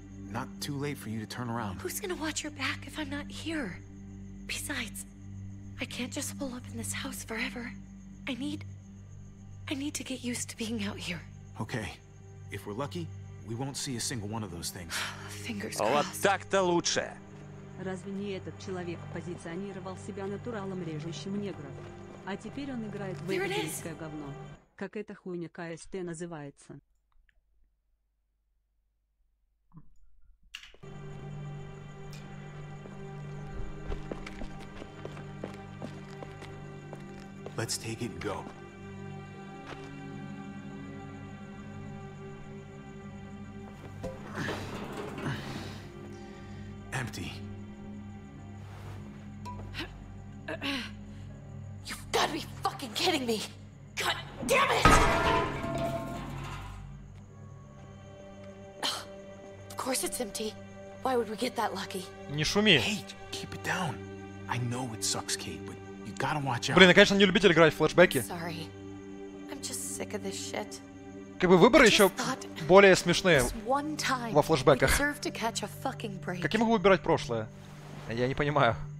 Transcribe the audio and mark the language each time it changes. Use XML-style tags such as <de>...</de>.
<en>Not too late for you to turn around. Who's gonna watch your back if I'm not here? Besides, I can't just pull up in this house forever. I need to get used to being out here. Okay. If we're lucky, we won't see a single one of those things. Fingers crossed.</en> <ru>Вот так-то лучше. Разве не этот человек позиционировал себя натуралом режущим негра? А теперь он играет в еврейское говно. Как эта хуйня КСТ называется?</ru> <en>Let's take it and go. Empty. You've got to be fucking kidding me! God damn it! Of course it's empty. Why would we get that lucky?</en> <ru>Не шуми.</ru> <en>Kate, keep it down. I know it sucks, Kate, but you gotta watch out.</en> <ru>Блин, я, конечно, не любитель играть в флешбеки.</ru> <en>Sorry. I'm just sick of this shit.</en> <ru>Как бы выборы еще более смешные во флешбеках. Как я могу выбирать прошлое? Я не понимаю.</ru>